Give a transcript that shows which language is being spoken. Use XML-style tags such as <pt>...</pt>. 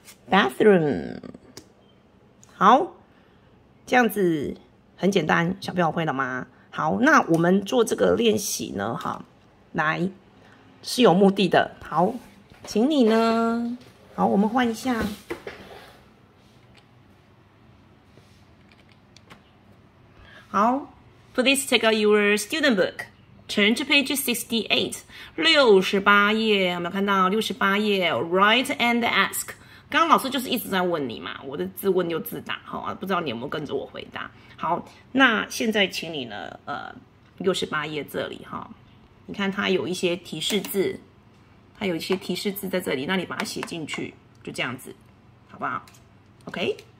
<zh>Bathroom， 好，这样子很简单，小朋友会了吗？好，那我们做这个练习呢，哈，来是有目的的。好，请你呢，好，我们换一下。</zh> <en>好 ，please take out your student book， turn to page 68，</en> <zh>68页，有没有看到68页</zh> <en>？Write and ask。</en> <zh>刚刚老师就是一直在问你嘛，我的自问又自答，好，不知道你有没有跟着我回答。好，那现在请你呢，68页这里哈，你看它有一些提示字，它有一些提示字在这里，那你把它写进去，就这样子，好不好 ？OK。</zh>